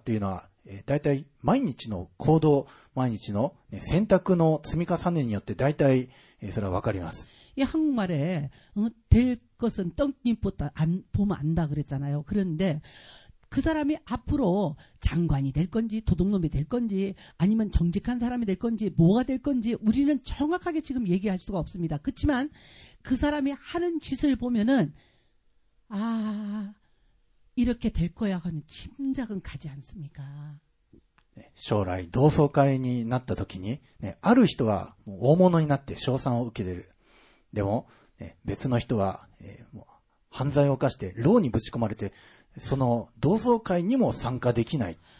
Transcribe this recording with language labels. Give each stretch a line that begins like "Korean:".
Japanese: どのようになるかはその時点では今の時点ではわからないんですけどもしかしどうなるかっていうのは大体毎日の行動毎日の選択の積み重ねによって大体それはわかります.
Korean: 이 한국말에 될 것은 떡잎부터 안, 보면 안다 그랬잖아요. 그런데 그 사람이 앞으로 장관이 될 건지 도둑놈이 될 건지 아니면 정직한 사람이 될 건지 뭐가 될 건지 우리는 정확하게 지금 얘기할 수가 없습니다. 그렇지만 그 사람이 하는 짓을 보면은 아 이렇게 될 거야 하는 짐작은 가지 않습니까?
Japanese: 将来同窓会になった時に、ね、ある人は大物になって称賛を受けてる。でも、ね、別の人は、もう犯罪を犯して牢にぶち込まれて、その同窓会にも参加できない。